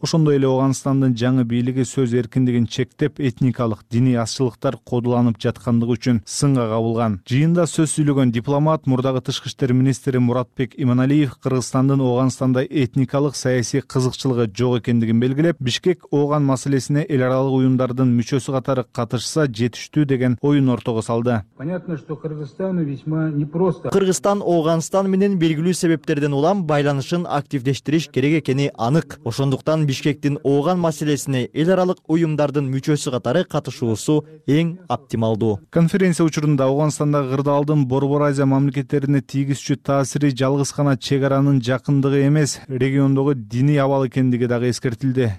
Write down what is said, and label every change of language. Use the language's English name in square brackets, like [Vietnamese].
[Kyrgyz] Ошондой эле Оганстандын жаңы бийлиги сөз эркиндигин чектеп, этникалык, диний азчылыктар кодуланып жаткандыгы үчүн сынга кабылган. Жыйында сөз сүйлөгөн дипломат, мурдагы тышкы иштер министри Муратбек Иманалиев Кыргызстандын Оганстанда этникалык саясий кызыкчылыгы жок экендигин белгилеп, Бишкек Оган маселесине эл аралык уюмдардын мүчөсү катары катышса жетиштүү деген оюн ортого салды. [Russian] Понятно, что Кыргызстану весьма непросто. [Kyrgyz] Кыргызстан Ооганстан менен белгилүү себептерден улам байланышын активдештириш керек экени анык. Ошондуктан Бишкектин Ооган маселесине эл аралык уюмдардын мүчөсү катары катышуусу эң оптималдуу. Конференция учурунда Оогонстандагы кырдаалдын Борбор Азия мамлекеттерине тийгизчү таасири жалгыз гана чек аранын жакындыгы эмес, региондогу диний абал экендиги дагы эскертилди.